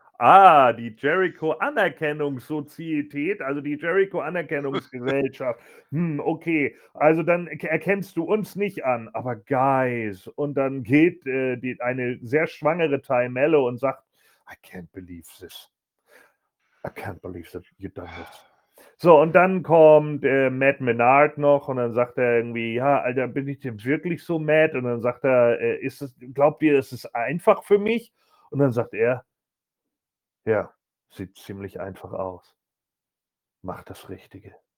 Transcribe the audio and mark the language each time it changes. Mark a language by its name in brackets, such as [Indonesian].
[German] Ah, die Jericho-Anerkennungssozietät, also die Jericho-Anerkennungsgesellschaft. okay, also dann erkennst du uns nicht an, aber guys, und dann geht eine sehr schwangere Ty Mello und sagt, [English] I can't believe this. I can't believe that you done this. [German] So, und dann kommt Matt Menard noch und dann sagt er irgendwie, ja, Alter, bin ich denn wirklich so mad? Und dann sagt er, glaubt ihr, es ist einfach für mich? Und dann sagt er, ja, sieht ziemlich einfach aus. Mach das Richtige.